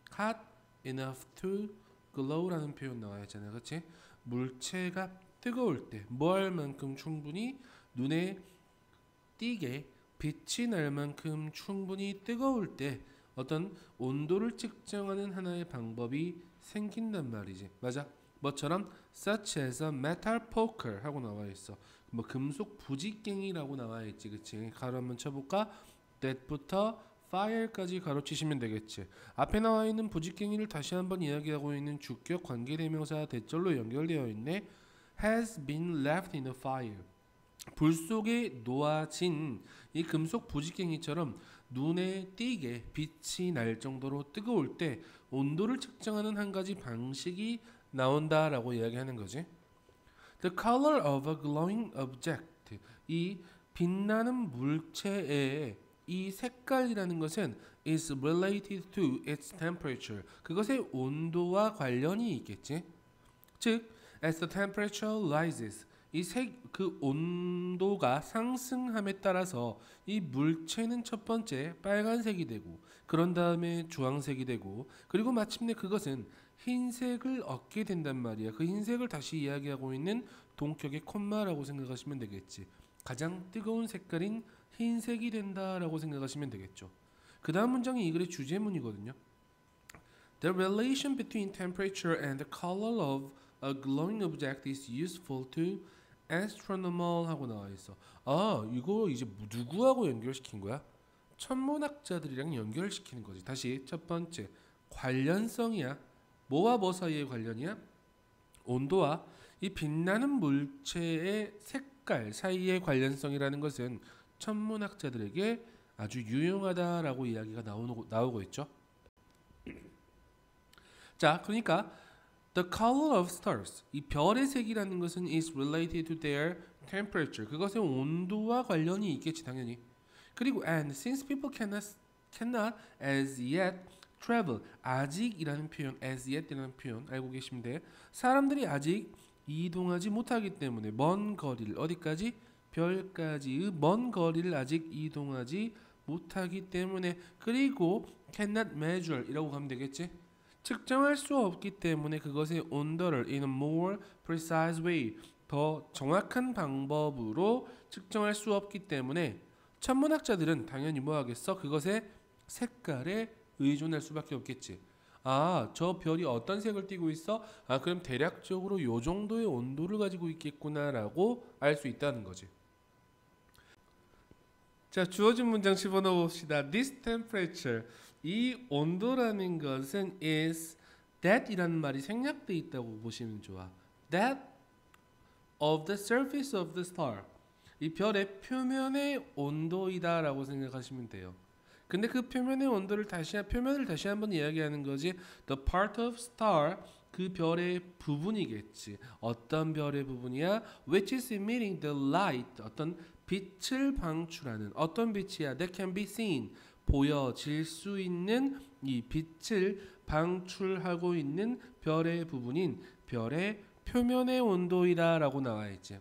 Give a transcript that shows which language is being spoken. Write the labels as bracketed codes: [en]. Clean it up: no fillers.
[en] hot enough to glow [ko] 라는 표현 나와야 되잖아요. 그렇지? 물체가 뜨거울 때, 뭐할 만큼 충분히 눈에 띄게 빛이 날 만큼 충분히 뜨거울 때 어떤 온도를 측정하는 하나의 방법이 생긴단 말이지. 맞아? 뭐처럼 [en] such as a metal poker [ko] 하고 나와 있어. 뭐 금속 부직갱이라고 나와 있지. 그치? 가로 한번 쳐볼까? that부터 fire까지 가로치시면 되겠지. 앞에 나와 있는 부직갱이를 다시 한번 이야기하고 있는 주격 관계대명사 대절로 연결되어 있네. [en] has been left in a fire. [ko] 불 속에 놓아진 이 금속 부직갱이처럼 눈에 띄게 빛이 날 정도로 뜨거울 때 온도를 측정하는 한 가지 방식이 나온다라고 이야기하는 거지. [en] The color of a glowing object. [ko] 이 빛나는 물체의 이 색깔이라는 것은 [en] is related to its temperature. [ko] 그것의 온도와 관련이 있겠지. 즉, [en] As the temperature rises, [ko] 그 온도가 상승함에 따라서 이 물체는 첫 번째 빨간색이 되고, 그런 다음에 주황색이 되고, 그리고 마침내 그것은 흰색을 얻게 된단 말이야. 그 흰색을 다시 이야기하고 있는 동격의 콤마라고 생각하시면 되겠지. 가장 뜨거운 색깔인 흰색이 된다라고 생각하시면 되겠죠. 그 다음 문장이 이 글의 주제문이거든요. [en] The relation between temperature and the color of A glowing object is useful to astronomer [ko] 하고 나와 있어. 아, 이거 이제 누구하고 연결시킨 거야? 천문학자들이랑 연결시키는 거지. 다시 첫 번째 관련성이야. 뭐와 뭐 사이의 관련이야? 온도와 이 빛나는 물체의 색깔 사이의 관련성이라는 것은 천문학자들에게 아주 유용하다라고 이야기가 나오고 있죠. [en] 자, 그러니까 The color of stars, [ko] 이 별의 색이라는 것은 [en] is related to their temperature. [ko] 그것의 온도와 관련이 있겠지, 당연히. [en] 그리고 and since people cannot as yet travel, [ko] 아직이라는 표현, [en] as yet이라는 표현 [ko] 알고 계시면 돼. 사람들이 아직 이동하지 못하기 때문에 먼 거리를 어디까지? 별까지의 먼 거리를 아직 이동하지 못하기 때문에 그리고 [en] cannot measure [ko] 이라고 하면 되겠지. 측정할 수 없기 때문에 그것의 온도를 [en] in a more precise way, [ko] 더 정확한 방법으로 측정할 수 없기 때문에 천문학자들은 당연히 뭐 하겠어? 그것의 색깔에 의존할 수밖에 없겠지. 아, 저 별이 어떤 색을 띠고 있어? 아, 그럼 대략적으로 요 정도의 온도를 가지고 있겠구나라고 알수 있다는 거지. 자, 주어진 문장 집어넣어봅시다. [en] This temperature. [ko] 이 온도라는 것은 is that이라는 말이 생략되어 있다고 보시면 좋아. [en] That of the surface of the star. [ko] 이 별의 표면의 온도이다라고 생각하시면 돼요. 근데 그 표면의 온도를 표면을 다시 한번 이야기하는 거지. [en] The part of star, [ko] 그 별의 부분이겠지. 어떤 별의 부분이야? [en] Which is emitting the light, [ko] 어떤 빛을 방출하는 어떤 빛이야? [en] That can be seen. [ko] 보여질 수 있는 이 빛을 방출하고 있는 별의 부분인 별의 표면의 온도이다라고 나와 있지.